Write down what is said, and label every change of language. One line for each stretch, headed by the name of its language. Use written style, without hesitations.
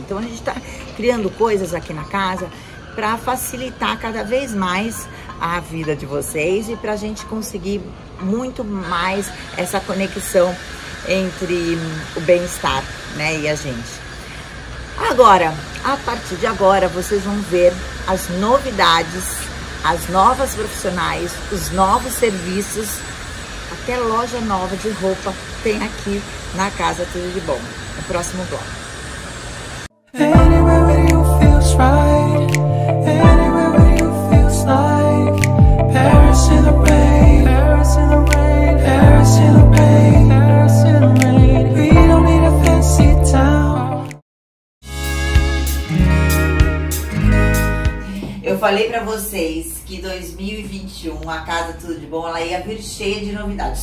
Portuguese: Então a gente está criando coisas aqui na casa para facilitar cada vez mais a vida de vocês e para a gente conseguir muito mais essa conexão entre o bem-estar, né, e a gente. Agora, a partir de agora, vocês vão ver as novidades, as novas profissionais, os novos serviços, até loja nova de roupa tem aqui na casa Tudo de Bom. No próximo bloco.
English: Anywhere with you feels right. Anywhere with you feels like Paris in the rain. Paris in the rain. Paris in the rain. Paris in the rain. We don't need a fancy town.
Portuguese: Eu falei falei pra vocês que 2021, a casa Tudo de Bom, ela ia vir cheia de novidades.